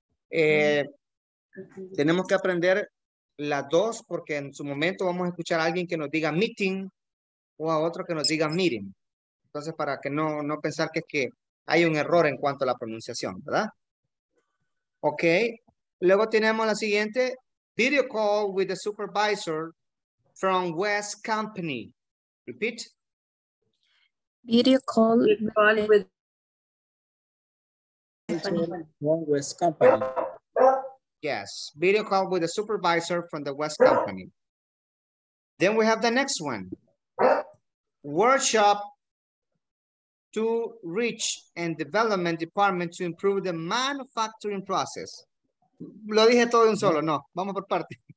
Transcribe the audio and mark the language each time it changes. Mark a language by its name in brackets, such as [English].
[Spanish] Tenemos que aprender las dos, porque en su momento vamos a escuchar a alguien que nos diga meeting o a otro que nos diga meeting. Entonces, para que no pensar que es que hay un error en cuanto a la pronunciación, ¿verdad? Ok. Luego tenemos la siguiente. [English] Video call with the supervisor from West Company. Repeat. Video call with West Company. Yes. Video call with the supervisor from the West Company. Then we have the next one. Workshop to reach and development department to improve the manufacturing process. [Spanish] Lo dije todo en un solo, no, vamos por parte.